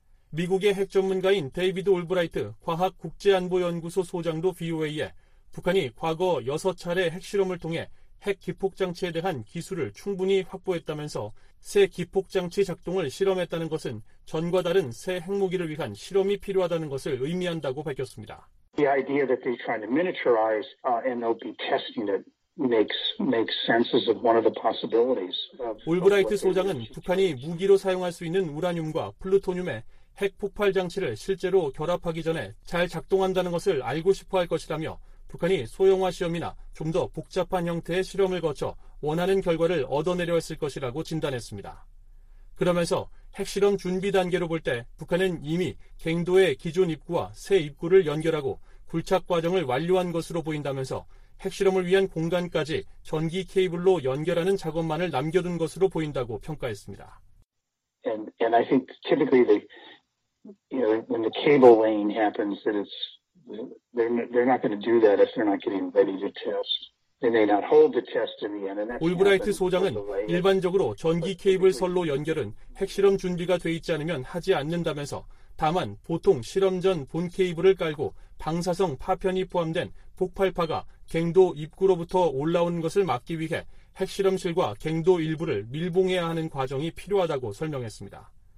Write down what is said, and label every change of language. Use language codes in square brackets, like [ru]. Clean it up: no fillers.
[ko] 미국의 핵 전문가인 데이비드 올브라이트 과학국제안보연구소 소장도 VOA에 북한이 과거 6차례 핵실험을 통해 핵 기폭장치에 대한 기술을 충분히 확보했다면서 새 기폭장치 작동을 실험했다는 것은 전과 다른 새 핵무기를 위한 실험이 필요하다는 것을 의미한다고 밝혔습니다. [en] The idea that they're trying to miniaturize and they'll be testing it makes sense of one of the possibilities. [ko] 올브라이트 소장은 북한이 무기로 사용할 수 있는 우라늄과 플루토늄의 핵 폭발 장치를 실제로 결합하기 전에 잘 작동한다는 것을 알고 싶어 할 것이라며 북한이 소형화 시험이나 좀 더 복잡한 형태의 실험을 거쳐 원하는 결과를 얻어내려 했을 것이라고 진단했습니다. 그러면서 핵실험 준비 단계로 볼 때 북한은 이미 갱도의 기존 입구와 새 입구를 연결하고 굴착 과정을 완료한 것으로 보인다면서 핵실험을 위한 공간까지 전기 케이블로 연결하는 작업만을 남겨둔 것으로 보인다고 평가했습니다. [en] And I think typically the, you know, when the cable laying happens, that it's they're not going to do that if they're not getting ready to test. They may not hold the test in the end. [ko] 올브라이트 소장은 일반적으로 전기 케이블 선로 연결은 핵실험 준비가 돼 있지 않으면 하지 않는다면서 다만 보통 실험 전 본 케이블을 깔고 방사성 파편이 포함된 폭발파가 갱도 입구로부터 올라오는 것을 막기 위해 핵실험실과 갱도 일부를 밀봉해야 하는 과정이 필요하다고 설명했습니다.